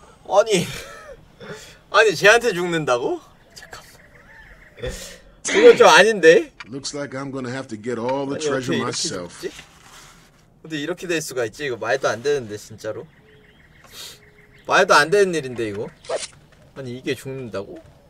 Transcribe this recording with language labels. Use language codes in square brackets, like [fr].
[ko] 아니, 아니 쟤한테 죽는다고? 잠깐만. 이건 좀 아닌데. [en] Looks like I'm gonna have to get all the treasure myself. [ko] 근데 이렇게 될 수가 있지? 이거 말도 안 되는데 진짜로. 말도 안 되는 일인데 이거. 아니 이게 죽는다고?